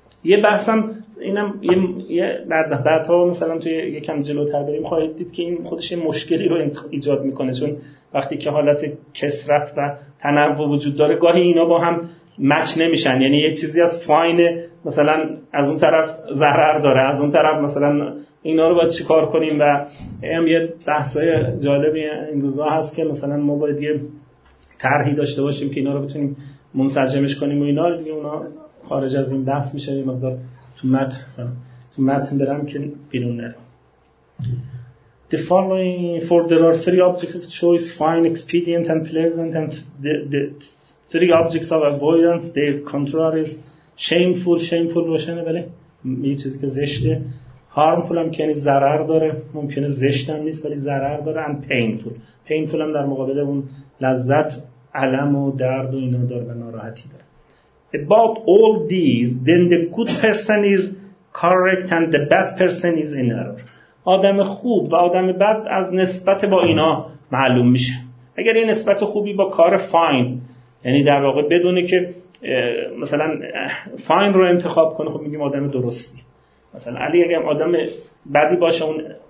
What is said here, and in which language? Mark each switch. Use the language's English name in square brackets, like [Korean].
[Persian] یه بحثم اینم یه بعدها مثلا توی یکم جلوتر بریم خواهید دید که این خودش یه مشکلی رو ایجاد میکنه، چون وقتی که حالت کثرت و تنوع وجود داره گاهی اینا با هم مچ نمیشن، یعنی یه چیزی از فاین مثلا از اون طرف ضرر داره، از اون طرف مثلا اینا رو باید چیکار کنیم. و هم یه بحثای جالبی این روزا هست که مثلا ما باید یه طرحی داشته باشیم که اینا رو بتونیم منسجمش کنیم و اینا دیگه، اونا خارج از این بحث میشه، این مقدار تو متن مثلا تو متن برم که بیرون نره. [English] The following for there are three objects of choice: fine, expedient and pleasant, and the three objects of avoidance, their contraries: shameful. [Persian] Shameful روشنه، بله یه چیزی که زشته. هارمفول هم که یعنی ضرر داره، ممکنه زشت هم نیست ولی ضرر داره. ان پینفول، پینفول هم در مقابل اون لذت، الم و درد و اینا داره و ناراحتی داره. [English] About all these then the good person is correct and the bad person is in error. [Persian] آدم خوب و آدم بد از نسبت با اینا معلوم میشه. اگر این نسبت خوبی با کار فاین، یعنی در واقع بدونه که مثلا فاین رو انتخاب کنه، خب میگیم آدم درستی. مثلا علی اگه آدم بدی باشه، اون